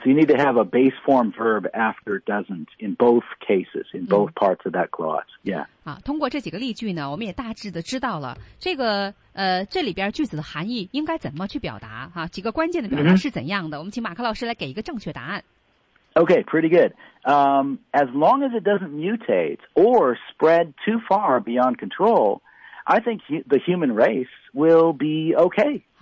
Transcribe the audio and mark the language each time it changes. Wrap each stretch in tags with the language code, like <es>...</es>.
<en>So you need to have a base form verb after doesn't in both cases, in both parts of that clause. Yeah.</en> <zh>啊，通过这几个例句呢，我们也大致的知道了这个这里边句子的含义应该怎么去表达啊？几个关键的表达是怎样的？ Mm-hmm. 我们请马克老师来给一个正确答案。</zh> <en>Okay, pretty good. As long as it doesn't mutate or spread too far beyond control, I think the human race will be okay.</en>